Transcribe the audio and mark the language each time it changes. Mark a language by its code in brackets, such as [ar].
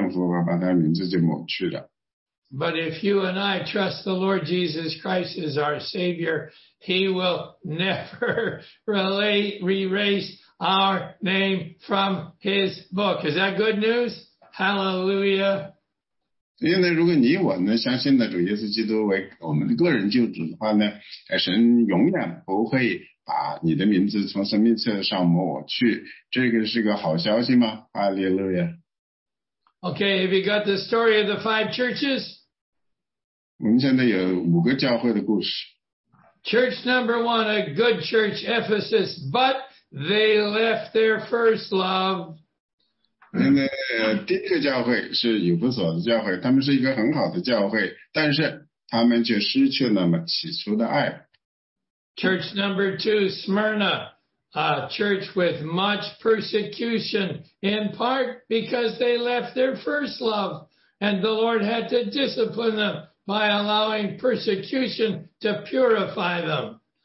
[zh] 那个孩子呢,他如果拒绝长大以后,他拒绝接受主耶稣基督呢,作为他救主呢,神就会把他名字抹去,因为神说我想要他成为我的孩子,我想要他圣父,但是他就不圣父,把他名字就抹去了。 [en] But if you and I trust the Lord Jesus Christ as our Savior, he will never erase our name from his book. Is that good news? Hallelujah. Okay, have you got the story of the five churches? [zh] 我们现在有五个教会的故事。 [en] Church number one, a good church, Ephesus, but they left their first love. [zh] 第一个教会是以弗所的教会, 他们是一个很好的教会, 但是他们却失去了起初的爱。 [en] Church number two, Smyrna, a church with much persecution, in part because they left their first love, and the Lord had to discipline them by allowing persecution to purify them.